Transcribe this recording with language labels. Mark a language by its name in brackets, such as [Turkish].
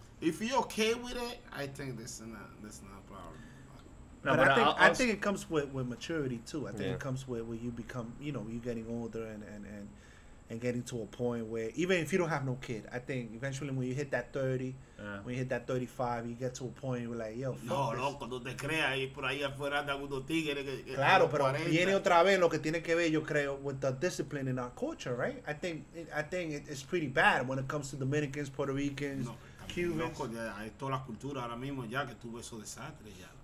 [English] If you're okay with it, I think that's not a problem. But I think it comes with maturity too. I think it comes with you become, you know, you getting older and getting to a point where even if you don't have no kid, I think eventually when you hit that 30, when you hit that 35, you get to a point where you're like, yo, [Spanish] loco, no te creas, y por ahí afuera de algunos tigres. Claro, pero viene otra vez lo que tiene que ver, yo creo, [English] with the discipline in our culture, right? I think it's pretty bad when it comes to Dominicans, Puerto Ricans, Cubans. [Spanish] Loco, ya hay toda la cultura ahora mismo ya que tuvo esos desastres ya.